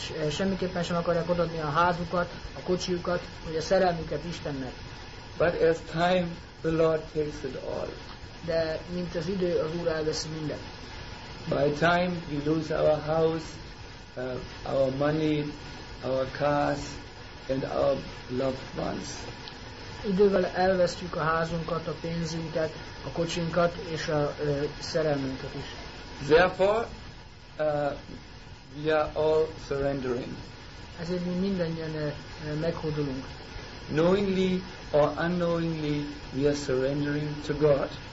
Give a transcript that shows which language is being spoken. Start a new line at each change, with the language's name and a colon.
Hungarian: Semmiképpen sem akarják odaadni a házukat, a kocsijukat, vagy a szerelmüket Istennek.
English: But as time, the Lord takes it all.
Hungarian: De mint az idő, az Úr elveszi minden.
English: By time we lose our house, our money, our cars, and our loved ones.
Hungarian: Idővel elvesztjük a házunkat, a pénzünket, a kocsinkat és a szerelmünket is.
English: Therefore, we are all surrendering.
Hungarian: Ezért mi mindannyian meghódolunk.
English: Knowingly or unknowingly, we are surrendering to God.